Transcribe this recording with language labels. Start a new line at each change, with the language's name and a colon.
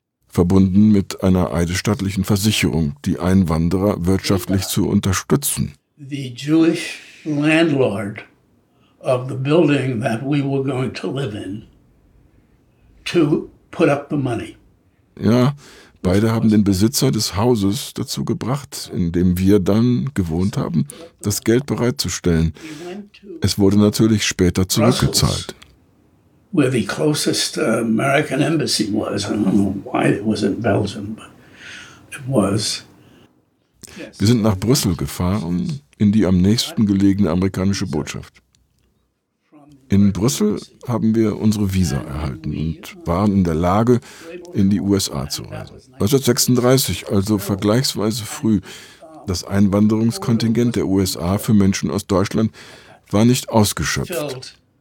German: Verbunden mit einer eidesstattlichen Versicherung, die Einwanderer wirtschaftlich zu unterstützen.
English: The Jewish landlord of the building that we were going to live in to put up the money.
German: Ja, beide haben den Besitzer des Hauses dazu gebracht, in dem wir dann gewohnt haben, das Geld bereitzustellen. Es wurde natürlich später zurückgezahlt.
English: where the closest American embassy was. I don't know why it was in Belgium, but it was.
German: Wir sind nach Brüssel gefahren, in die am nächsten gelegene amerikanische Botschaft. In Brüssel haben wir unsere Visa erhalten und waren in der Lage, in die USA zu reisen. 1936, also vergleichsweise früh, das Einwanderungskontingent der USA für Menschen aus Deutschland war nicht ausgeschöpft.